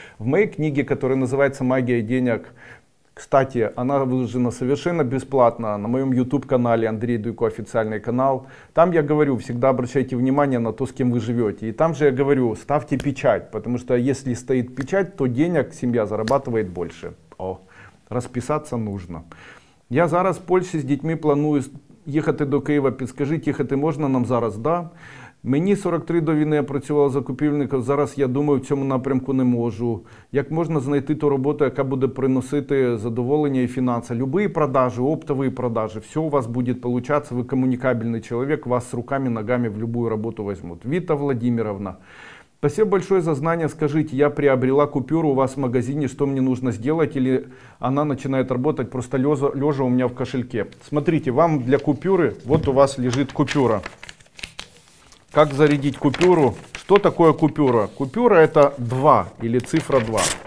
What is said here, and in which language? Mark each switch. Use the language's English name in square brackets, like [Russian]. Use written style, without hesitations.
[Russian] В моей книге, которая называется «Магия денег», кстати, она выложена совершенно бесплатно на моем YouTube-канале Андрей Дуйко, официальный канал. Там я говорю, всегда обращайте внимание на то, с кем вы живете. И там же я говорю, ставьте печать, потому что если стоит печать, то денег семья зарабатывает больше. О, расписаться нужно. Я зараз в Польше с детьми планую ехать до Києва. [Ukrainian] Підскажіть, їхати можна нам зараз, да? Мені 43, до війни я працювала закупівником, зараз я думаю, в цьому напрямку не можу. Як можна знайти ту роботу, яка буде приносити задоволення і фінанси? Любі продажі, оптові продажі, все у вас буде виходити, ви комунікабельний чоловік, вас з руками, ногами в будь-яку роботу візьмуть. Віта Володимировна. [Russian] Спасибо большое за знания. Скажите, я приобрела купюру у вас в магазине, что мне нужно сделать? Или она начинает работать просто лежа у меня в кошельке? Смотрите, вам для купюры, вот у вас лежит купюра. Как зарядить купюру? Что такое купюра? Купюра — это 2 или цифра 2.